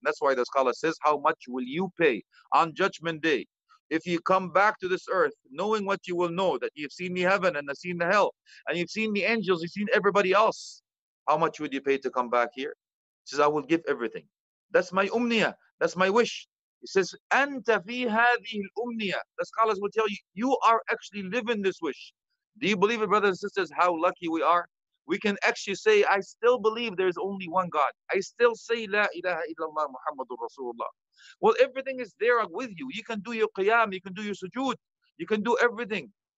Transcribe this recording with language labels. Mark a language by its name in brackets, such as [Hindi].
[English] That's why the scholar says, how much will you pay on Judgment Day? If you come back to this earth, knowing what you will know, that you've seen the heaven and you've seen the hell, and you've seen the angels, you've seen everybody else, how much would you pay to come back here? He says, I will give everything. That's my umniyah. That's my wish. He says, [Arabic] أنت في هذه الأمنية. [English] The scholars will tell you, you are actually living this wish. Do you believe it, brothers and sisters, how lucky we are? We can actually say, I still believe there is only one God. I still say, [Arabic] La ilaha illallah Muhammadur Rasulullah. [English] Well, everything is there with you. You can do your qiyam, you can do your sujood, you can do everything.